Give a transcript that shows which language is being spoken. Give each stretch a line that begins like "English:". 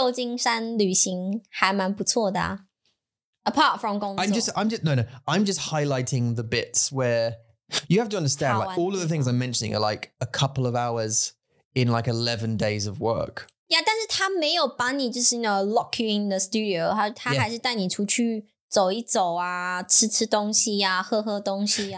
Chinese: 我不知道。对啊，OK，所以你的旧金山旅行还蛮不错的啊。
English: Apart from 工作, I'm just highlighting the bits where you have to understand. Like all of the things I'm mentioning are like a couple of hours in like 11 days of work.
Chinese: Yeah, 但是他没有把你就是
English: you know lock you in the studio.
Chinese: 他还是带你出去走一走啊，吃吃东西呀，喝喝东西呀。